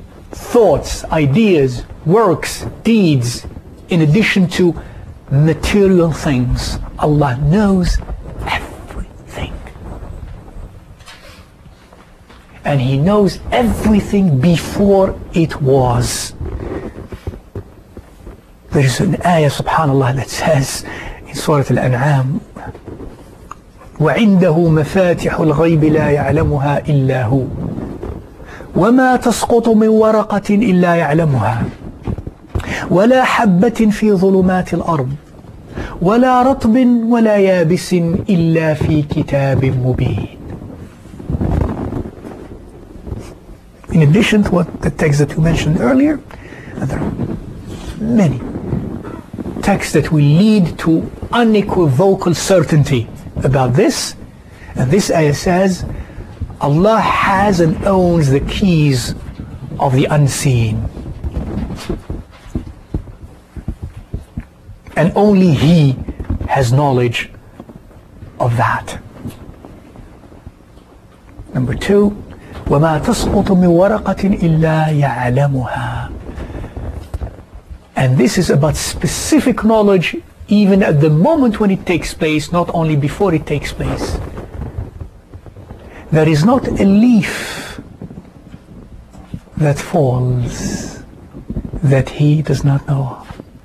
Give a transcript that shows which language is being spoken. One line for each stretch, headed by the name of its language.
English: Thoughts, ideas, works, deeds, in addition to material things. Allah knows everything. And He knows everything before it was. There is an ayah, subhanAllah, that says in Surah Al-An'am,
Arabic: وَعِنْدَهُ مَفَاتِحُ الْغَيْبِ لَا يَعْلَمُهَا إِلَّا هُوَ وَمَا تَسْقُطُ مِنْ وَرَقَةٍ إِلَّا يَعْلَمُهَا وَلَا حَبَّةٍ فِي ظُلُمَاتِ الْأَرْضِ وَلَا رَطْبٍ وَلَا يَابِسٍ إِلَّا فِي كِتَابٍ مُبِينٍ.
English: In addition to what the text that you mentioned earlier, there are many texts that will lead to unequivocal certainty about this. And this ayah says Allah has and owns the keys of the unseen, and only He has knowledge of that. Number two,
Arabic: وَمَا تَسْقُطُ مِنْ وَرَقَةٍ إِلَّا يَعْلَمُهَا.
English: And this is about specific knowledge even at the moment when it takes place, not only before it takes place. There is not a leaf that falls that He does not know of.